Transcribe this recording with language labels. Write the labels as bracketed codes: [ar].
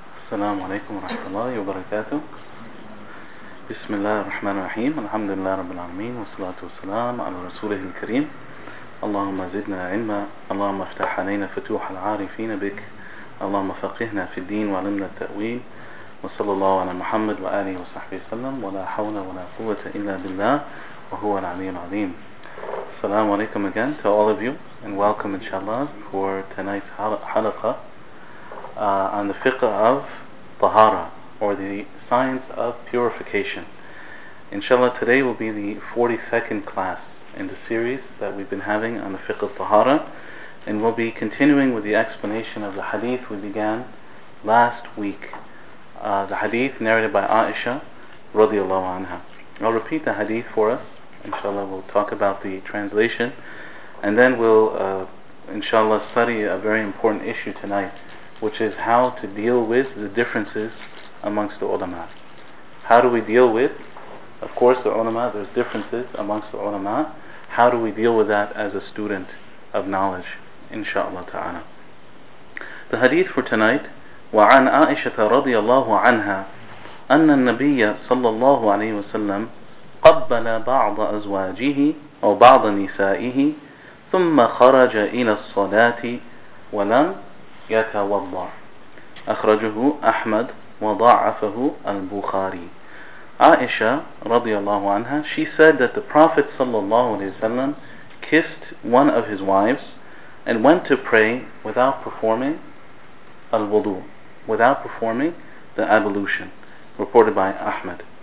[ar] السلام عليكم ورحمة الله وبركاته. بسم الله الرحمن الرحيم، الحمد لله رب العالمين، والصلاة والسلام على رسوله الكريم. اللهم زدنا علما، اللهم افتح علينا فتوح العارفين بك، اللهم فقهنا في الدين وعلمنا التأويل، وصلى الله على محمد وآله وصحبه وسلم. ولا حول ولا قوة إلا بالله وهو العلي العظيم. [en] السلام عليكم again to all of you and welcome inshallah for tonight's halaqa on the fiqh of Tahara, or the science of purification. Inshallah, today will be the 42nd class in the series that we've been having on the fiqh of Tahara, and we'll be continuing with the explanation of the hadith we began last week. The hadith narrated by Aisha radiallahu anha. I'll repeat the hadith for us. Inshallah, we'll talk about the translation, and then we'll inshallah study a very important issue tonight, which is how to deal with the differences amongst the ulama. How do we deal with, of course, the ulama, there's differences amongst the ulama. How do we deal with that as a student of knowledge, inshaAllah ta'ala. The hadith for tonight, [ar] وَعَنْ عَائِشَةَ رَضِيَ اللَّهُ عَنْهَا أَنَّ النَّبِيَّ صَلَّى اللَّهُ عَلَيْهِ وَسَلَّمْ قَبَّلَ بَعْضَ أَزْوَاجِهِ أو بَعْضَ نِسَائِهِ ثُمَّ خَرَجَ إِلَى الصَّلَاةِ وَلَمْ يَتَوَضَّعْ أَخْرَجَهُ أَحْمَدْ وَضَعَفَهُ الْبُخَارِي. [en] Aisha radiallahu anha, she said that the Prophet sallallahu alayhi wa sallam kissed one of his wives and went to pray without performing al-wudu, without performing the ablution, reported by Ahmad.